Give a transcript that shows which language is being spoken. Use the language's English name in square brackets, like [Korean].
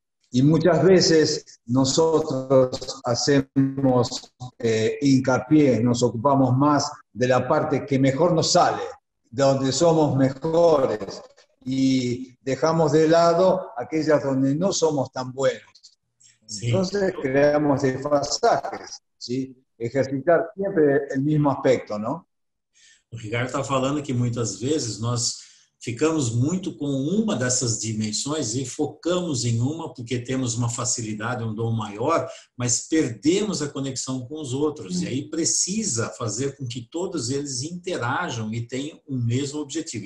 [Portuguese] E muitas vezes nós fazemos hincapié, nos ocupamos mais da parte que melhor nos sai, de onde somos melhores, e deixamos de lado aquelas onde não somos tão buenos. [Spanish] Entonces sí. Creamos desfasajes, ¿sí? Ejercitar siempre el mismo aspecto, ¿no? [Portuguese] O Ricardo está falando que muitas vezes nós ficamos muito com uma dessas dimensões e focamos em uma porque temos uma facilidade, um dom maior, mas perdemos a conexão com os outros. E aí precisa fazer com que todos eles interajam e tenham o mesmo objetivo.